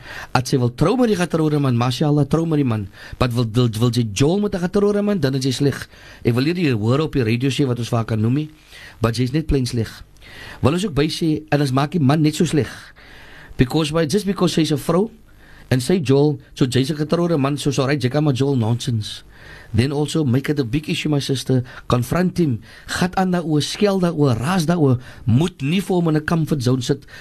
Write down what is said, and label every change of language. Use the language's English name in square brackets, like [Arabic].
[Afrikaans] As sy wil trou met die getroude man, mashallah, trou met die man, wat wil sy jol met 'n getroude man, dan is sy sleg. Ek wil hierdie hoor op die radio sê wat ons vaak kan noem, maar sy is net plain sleg. Wil ons ook by sê, en ons maak die man net so sleg, [English] just because [Afrikaans] sy is 'n vrou, en sy jol, so jy is 'n getroude man, so sorry, jy kan maar jol nonsense. [English] Then also make it a big issue, my sister. Confront him. [Afrikaans] Gat aan daar oor, skel daar oor, raas daar oor. Moet nie voor hom in 'n comfort zone sit.